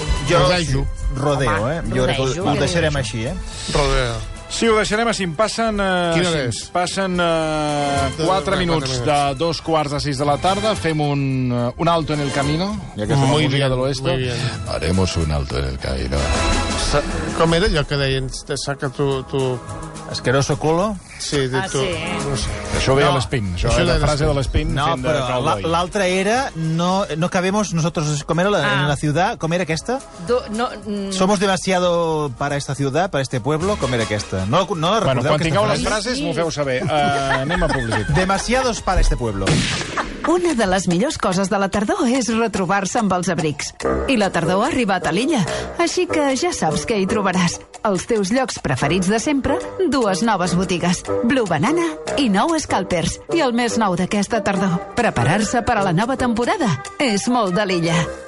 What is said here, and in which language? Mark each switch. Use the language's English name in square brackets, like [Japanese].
[Catalan] Rodejo. Rodeo, Jo crec que ho deixarem així, Rodeo. Sí, ho deixarem així. Passen... Quina hora és? Passen 4 minuts de 4:45 de la tarda. Fem un alto en el camino. Ja que fem la música de l'oest. [Spanish] Haremos un alto en el camino. [Catalan] Com era allò que deien? Te saca tu... [Spanish] Asqueroso culo? Sí, de tu... Ah, sí. [Catalan] No sé. Això ho veia l'Espín. Això era la frase de l'Espín. No, però l'altra era... No cabemos nosotros... Com era la ciudad? Com era aquesta? [Spanish] Somos demasiado para esta ciudad, para este pueblo. [Catalan] Com era aquesta? No la recordeu? Bueno, quan tingueu les frases, m'ho feu saber. Anem a publicitat. [Spanish] Demasiados para este pueblo. [Catalan] Una de les millors coses de la tardor és retrobar-se amb els abrics. I la tardor ha arribat a l'illa, així que ja saps què hi trobaràs. Els teus llocs preferits de sempre, dues noves botigues, Blue Banana i Nou Scalpers. I el més nou d'aquesta tardor, preparar-se per a la nova temporada, és molt de l'illa.